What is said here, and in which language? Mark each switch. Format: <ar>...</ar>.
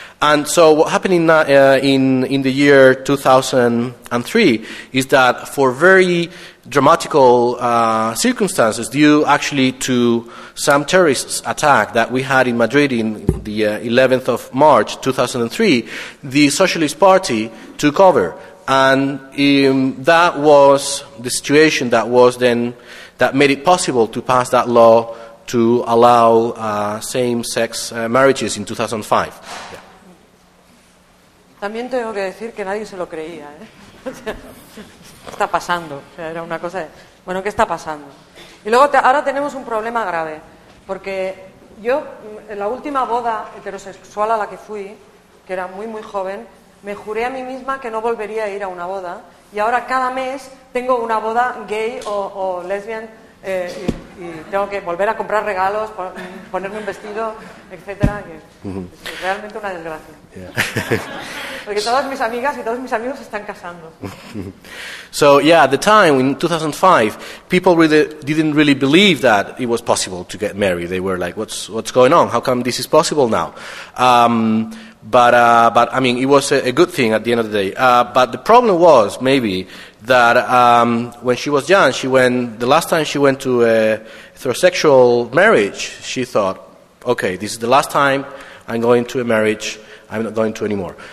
<en>And so what happened in the year 2003 is that for very dramatical circumstances due actually to some terrorist attack that we had in Madrid in the 11th of March 2003, the Socialist Party took over. And that was the situation that was then that made it possible to pass that law to allow same-sex marriages in 2005. Yeah.</en> <es>También tengo que decir que nadie se lo creía. ¿Eh? Está pasando. O sea, era una cosa de... Bueno, ¿qué está pasando? Y luego ahora tenemos un problema grave. Porque yo, en la última boda heterosexual a la que fui, que era muy, muy joven, me juré a mí misma que no volvería a ir a una boda. Y ahora cada mes tengo una boda gay o lesbian y tengo que volver a comprar regalos, ponerme un vestido, etcétera. Es realmente una desgracia.</es> <en>Yeah.</en> <es>Porque todas mis amigas y todos mis amigos están casando.</es> <en>So yeah, at the time in 2005, people really didn't really believe that it was possible to get married. They were like, "What's going on? How come this is possible now?" But I mean, it was a good thing at the end of the day. But the problem was maybe that when she was young, the last time she went to a heterosexual marriage, she thought, "Okay, this is the last time I'm going to a marriage. I'm not going to anymore."</en>